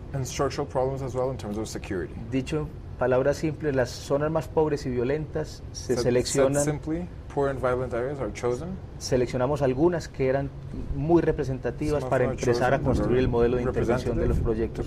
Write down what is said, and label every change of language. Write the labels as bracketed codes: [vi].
[en] And structural problems as well in terms of security. [es] Dicho en palabras simples, las zonas más pobres y violentas se seleccionan. [en] Said simply, poor and violent areas are chosen. [es] Seleccionamos algunas que eran muy representativas [en] some [es] para empezar a construir el modelo de intervención de los proyectos